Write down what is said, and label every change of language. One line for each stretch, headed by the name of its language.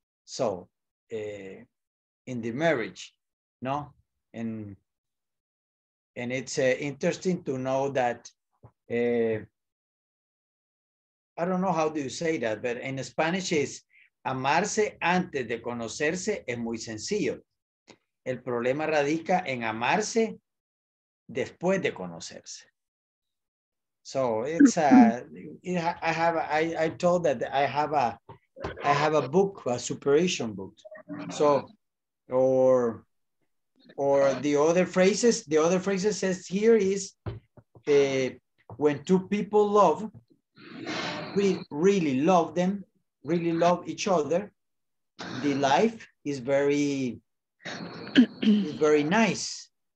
English: So in the marriage, no? And it's interesting to know that, I don't know how do you say that, but in Spanish is,
Spanish: amarse antes de conocerse es muy sencillo. El problema radica en amarse después de conocerse.
English: So it's I have a book, a superation book. So or the other phrases says here is when two people love, we really love them, really love each other, the life is very very nice.